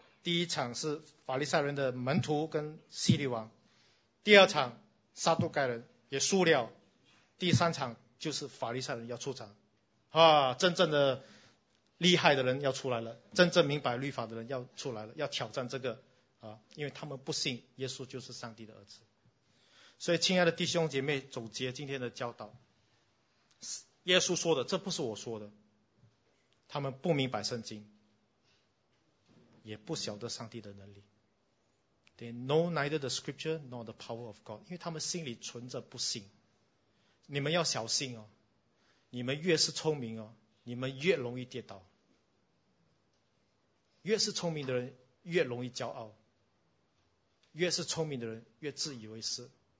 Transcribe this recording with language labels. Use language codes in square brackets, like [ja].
[zh] 第一场是法利赛人的门徒跟西律王，第二场撒都该人也输了，第三场就是法利赛人要出场，啊，真正的厉害的人要出来了，真正明白律法的人要出来了，要挑战这个啊，因为他们不信耶稣就是上帝的儿子。所以，亲爱的弟兄姐妹，总结今天的教导，耶稣说的，这不是我说的，他们不明白圣经。也不晓得上帝的能力。 [en] They know neither the scripture nor the power of God. [zh] 因为他们心里存着不信。你们要小心哦，你们越是聪明哦，你们越容易跌倒。越是聪明的人越容易骄傲，越是聪明的人越自以为是。